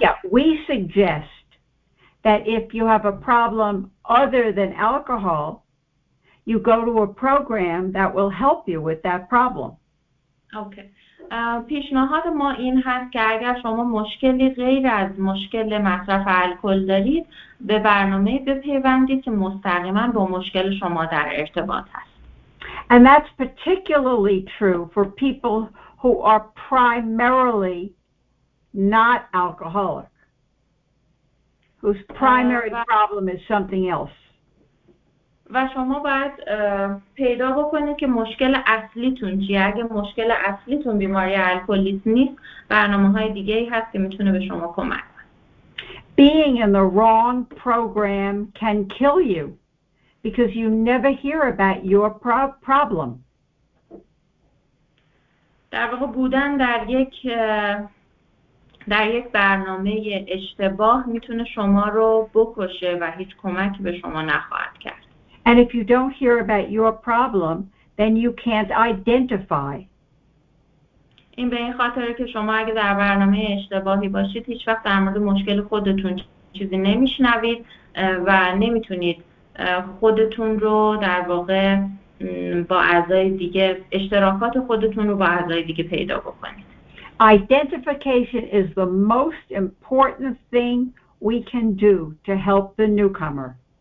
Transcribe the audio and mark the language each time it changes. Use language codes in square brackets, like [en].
[en] Yeah, we suggest that if you have a problem other than alcohol, you go to a program that will help you with that problem. Okay. [fa] پیشنهاد ما این هست که اگر شما مشکلی غیر از مشکل مصرف الکل دارید به برنامه بپیوندید که مستقیما با مشکل شما در ارتباط هست. [en] And that's particularly true for people who are primarily not alcoholic, whose primary problem is something else. [fa] و شما باید پیدا بکنید که مشکل اصلیتون چیه. اگه مشکل اصلیتون بیماری الکلیسم نیست، برنامه های دیگه ای هست که میتونه به شما کمک کنه. [en] Being in the wrong program can kill you because you never hear about your problem. [fa] در واقع بودن در یک برنامه اشتباه میتونه شما رو بکشه و هیچ کمکی به شما نخواهد کرد. [en] And if you don't hear about your problem, then you can't identify. [fa] این به این خاطر که شما اگه در برنامه اشتباهی باشید، هیچ وقت در مورد مشکل خودتون چیزی نمیشنوید و نمیتونید خودتون رو در واقع با اعضای دیگه اشتراکات خودتون رو با اعضای دیگه پیدا بکنید. [en] Identification is the most important thing we can do to help the newcomer.